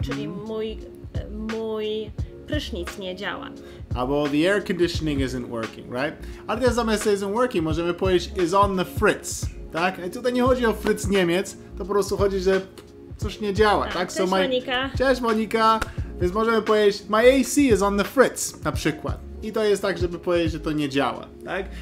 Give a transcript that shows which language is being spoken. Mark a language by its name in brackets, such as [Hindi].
[Polish] Czyli mój prysznic nie działa. Albo [English] the air conditioning isn't working, right? [Polish] Ale też zamiast [English] isn't working [Polish] możemy powiedzieć [English] is on the fritz, [Polish] tak? I tutaj nie chodzi o fritz Niemiec, to po prostu chodzi, że coś nie działa, tak? Cześć, Monika. Cześć, Monika. Więc możemy powiedzieć [English] my AC is on the fritz, [Polish] na przykład. I to jest tak, żeby powiedzieć, że to nie działa, tak?